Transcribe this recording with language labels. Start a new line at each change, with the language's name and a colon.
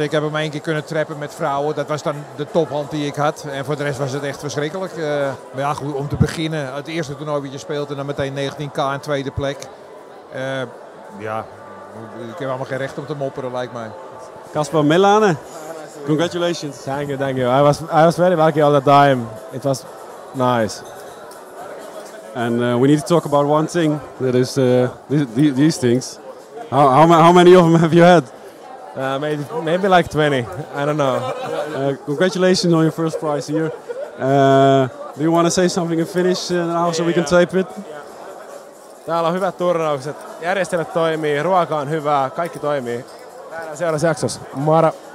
Dutch: Ik heb hem één keer kunnen trappen met vrouwen. Dat was dan de tophand die ik had. En voor de rest was het echt verschrikkelijk. Maar ja, goed, om te beginnen. Het eerste toernooi dat je speelt en dan meteen 19k in tweede plek. Ik heb allemaal geen recht om te mopperen, lijkt mij.
English: Casper Melane, congratulations. Thank you. I was very lucky all the time. It was nice. And we need to talk about one thing. That is these things. How many of them have you had? Maybe like 20. I don't know. Congratulations on your first prize here. Do you want to say something in Finnish now so we can tape it?
Finnish: Täällä on hyvät turnaukset. Järjestelmät toimii, ruoka on hyvää, kaikki toimii. Täällä seuraavassa jaksossa. Moro!